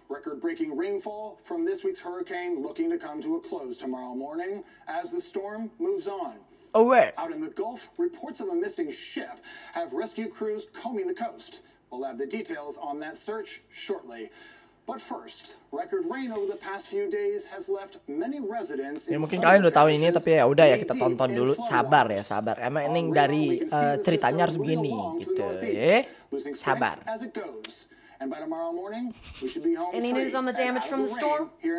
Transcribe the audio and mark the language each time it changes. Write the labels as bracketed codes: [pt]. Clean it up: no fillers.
[en] Record breaking rainfall from this week's hurricane looking to come to a close tomorrow morning as the storm moves on. Oh wait. Out in the Gulf, reports of a missing ship have rescue crews combing the coast. We'll have the details on that search shortly. But first, record rain over the past few days has left many residents in [id] ya, mungkin kalian udah tahu ini, tapi ya udah ya, kita tonton dulu. Sabar ya, sabar. Emang ini dari ceritanya harus begini gitu ya. Sabar. [en] And by tomorrow morning, we should be home. Any news on the damage from the storm?